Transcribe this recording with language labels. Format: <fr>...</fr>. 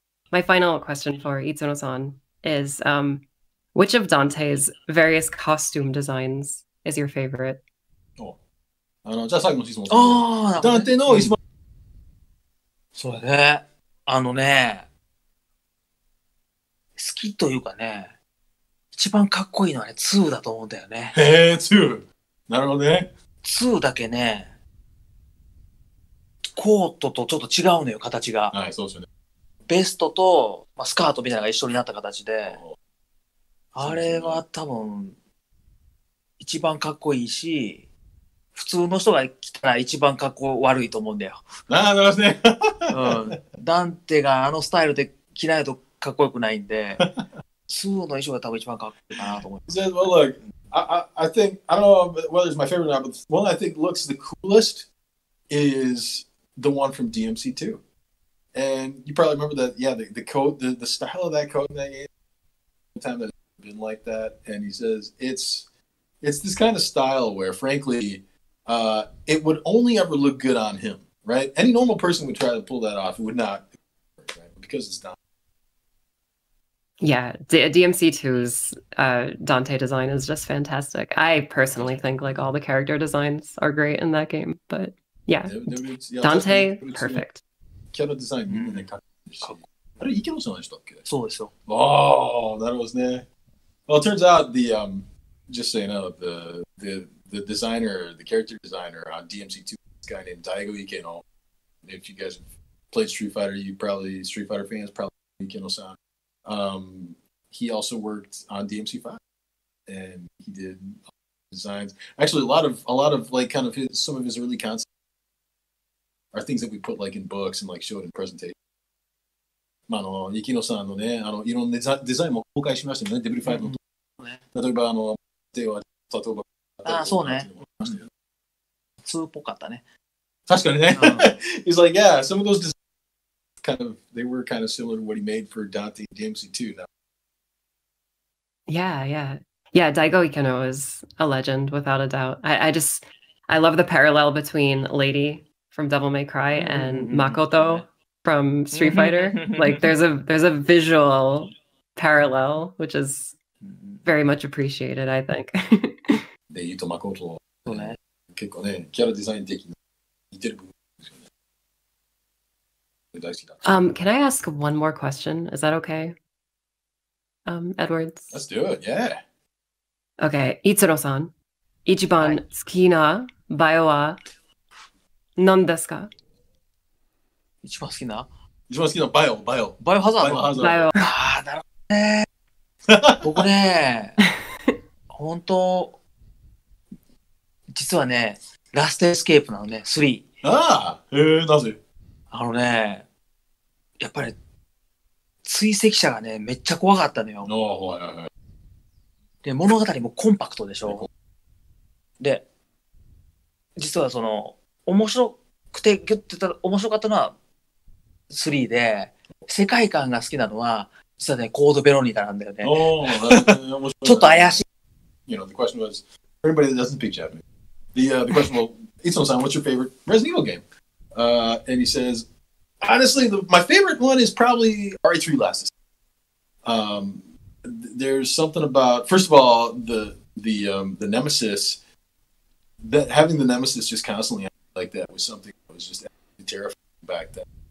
<en>My final question for Itsuno-san is, which of Dante's various costume designs is your favorite?</en> <ja>Oh, じゃあ最後の質問。ああ、ダンテの一番。そうね。好きというかね、一番かっこいいのはね、2だと思うんだよね。へえ、2。なるほどね。 2だけね、コートとちょっと違うのよ、形が。はい、そうですよね。ベストと、まあ、スカートみたいなのが一緒になった形で、あれは多分、一番かっこいいし、普通の人が来たら一番かっこ悪いと思うんだよ。なるほどね。うん。ダンテがあのスタイルで着ないとかっこよくないんで、2の衣装が多分一番かっこいいかなと思います。</ja> <en>I think, I don't know whether it's my favorite or not, but the one I think looks the coolest is the one from DMC2. And you probably remember that, yeah, the coat, the style of that coat in that game, the time that it's been like that. And he says, it's this kind of style where, frankly, it would only ever look good on him, right? Any normal person would try to pull that off. It would not, right? Because it's not. Yeah, DMC2's Dante design is just fantastic. I personally think like all the character designs are great in that game, but yeah. Dante, perfect.</en> <ja>キャラデザインね、あれ、イケノさんでしたっけ？そうですよ。</ja> <en>Oh, that was ね。 Well, it turns out the, just so you know, the designer, the character designer on DMC2, this guy named Daigo Ikeno. If you guys played Street Fighter, you probably, Street Fighter fans probably Ikeno-san. He also worked on DMC5, and he did designs. Actually, a lot of like kind of his, some of his early concepts are things that we put like in books and like showed in presentations.</en> <ja>まあ、あの、ゆきのさんのね、あの、いろんなデザインも公開しましたよね、デビル5の、うん、例えば、あの、では、例えば、ああ、そうね。普通っぽかったね。確かにね。</ja> <en>He's like, yeah, some of those designs kind of, they were kind of similar to what he made for Dante Dempsey too. Yeah, yeah. Yeah, Daigo Ikeno is a legend, without a doubt. I love the parallel between Lady from Devil May Cry and Makoto from Street Fighter. Like, there's a visual parallel, which is very much appreciated, I think.</en> <ja>で、言うと Makoto は結構ね、キャラデザイン的に似てる部分ですよね。大好きだ。</ja> <en>Can I ask one more question? Is that okay? Edwards? Let's do it, yeah!</en> <ja>Okay, Itsuno-san, 一番好きなバイオは何ですか？一番好きな？一番好きなバイオ、バイオ。バイオハザード。バイオ。ああ、なるほどね。僕ね、本当、実はね、ラストエスケープなのね、3。ああ、へえ、なぜ？あのね、やっぱり、追跡者がね、めっちゃ怖かったのよ。ああ、はいはいはい。で、物語もコンパクトでしょ。で、実はその、面白くて、ギュッて言ったら面白かったのは3で、世界観が好きなのは、実はね、コードベロニカなんだよね。面白い。ちょっと怪しい。</ja> <en>You know, the question was, for anybody that doesn't speak Japanese, the question was, Itsuno-san, what's your favorite Resident Evil game?、and he says, honestly, my favorite one is probably RE3 Last. There's something about, first of all, the nemesis, that having the nemesis just constantly like that was something that was just terrifying back then.</en>